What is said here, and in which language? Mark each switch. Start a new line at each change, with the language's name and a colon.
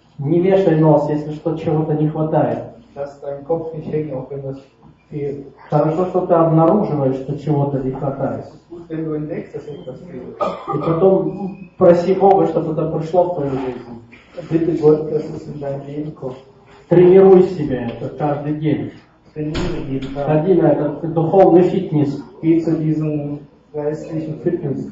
Russian: Не вешай нос, если что чего-то не хватает.
German: Dass dein Kopf nicht hängt, auch wenn das fehlt.
Russian: Хорошо, что ты обнаруживаешь, что чего-то не хватает.
German: Wenn du entdeckst, dass etwas fehlt.
Russian: И потом проси Бога, чтобы это пришло в твою жизнь.
German: Bitte Gott, dass es in dein Leben kommt.
Russian: Тренируй себя это каждый день. Тренируй себя. Ходи на этот духовный фитнес.
German: Geh zu diesem geistlichen Fitness.